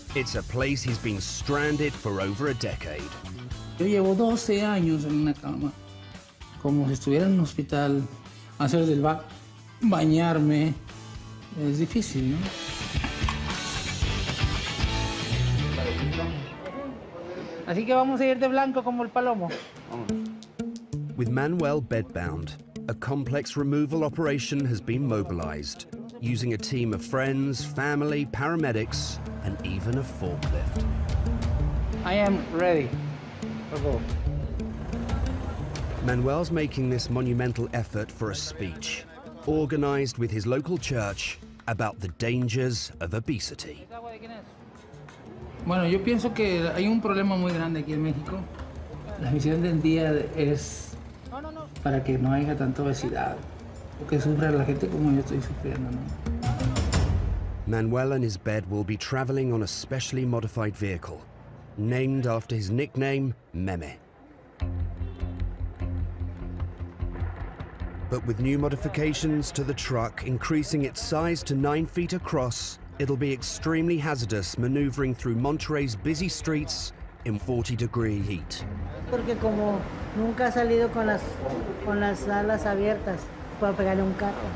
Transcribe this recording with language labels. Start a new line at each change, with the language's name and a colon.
English: It's a place he's been stranded for over a decade.
Spanish: Yo llevo 12 años en una cama, como si estuviera en un hospital, hacer del bañarme. Es difícil, ¿no? Así que vamos a ir de blanco como el palomo.
English: With Manuel bedbound, a complex removal operation has been mobilized, using a team of friends, family, paramedics, and even a forklift. I am ready. Manuel's making this monumental effort for a speech, organized with his local church, about the dangers of obesity.
Spanish: Bueno, yo pienso que hay un problema muy grande aquí en México. La misión del día es para que no haya tanta obesidad, porque sufre la gente como yo estoy sufriendo, ¿no?
English: Manuel and his bed will be traveling on a specially modified vehicle, named after his nickname, Meme. But with new modifications to the truck, increasing its size to 9 feet across, it'll be extremely hazardous maneuvering through Monterrey's busy streets in 40 degree heat.
Spanish: Porque como nunca ha salido con las alas abiertas, puedo pegarle un carro.